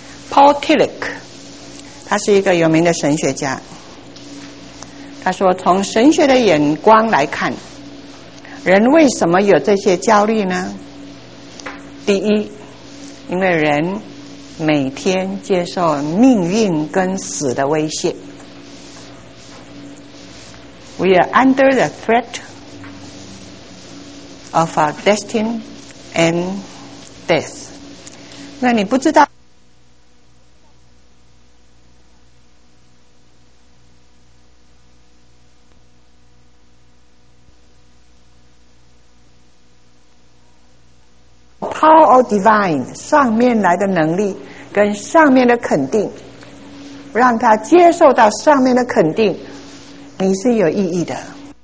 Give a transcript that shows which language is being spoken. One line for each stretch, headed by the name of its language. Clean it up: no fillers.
Chinese: Paul Tillich， 他是一个有名的神学家，他说从神学的眼光来看，人为什么有这些焦虑呢？第一，因为人每天接受命运跟死的威胁。
English: We are under the threat of our destiny and death。
Chinese: 那你不知道
English: Power of Divine
Chinese: 上面来的能力跟上面的肯定，让他接受到上面的肯定，你是有意义的。